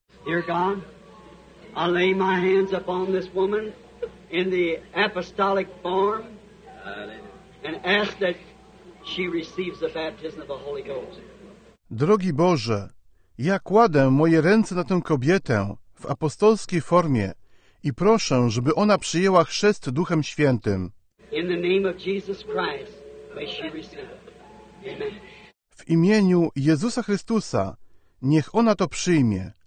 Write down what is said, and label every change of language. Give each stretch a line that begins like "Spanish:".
English: Dear God, I lay my hands upon this woman in the apostolic form and ask that she receives the baptism of the Holy Ghost.
Polish: Drogi Boże, ja kładę moje ręce na tę kobietę w apostolskiej formie i proszę, żeby ona przyjęła chrzest Duchem Świętym.
English: In the name of Jesus Christ, may she receive it. Amen.
Polish: W imieniu Jezusa Chrystusa, niech ona to przyjmie.